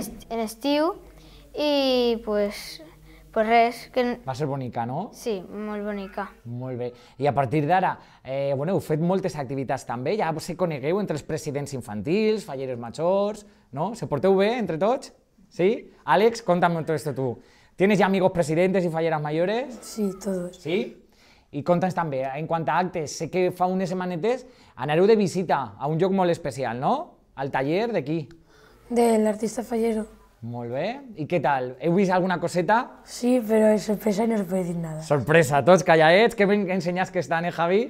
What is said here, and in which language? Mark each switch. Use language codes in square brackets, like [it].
[ca] En estiu. I, pues res. Que... Va ser bonica, no? Sí, molt bonica. Molt bé. I a partir d'ara, bueno, heu fet moltes activitats també, ja us conegueu entre els presidents infantils, falleres majors... ¿No? ¿Se porteu bé entre tots? ¿Sí? Àlex, [es] contame [ca] tot [es] esto tu. ¿Tienes [ca] ja [es] amigos presidentes [ca] i falleres [es] mayores? Sí, todos. ¿Sí? [ca] I conta'ns també, en quant a actes, sé que fa unes setmanetes anareu de visita a un lloc molt especial, no? Al taller d'aquí. De l'artista fallero. Molt bé. I què tal? Heu vist alguna coseta? Sí, però és sorpresa i no es pot dir [es] nada. [ca] Sorpresa, tots callaets. Que ben ensenyats que estan, Javi?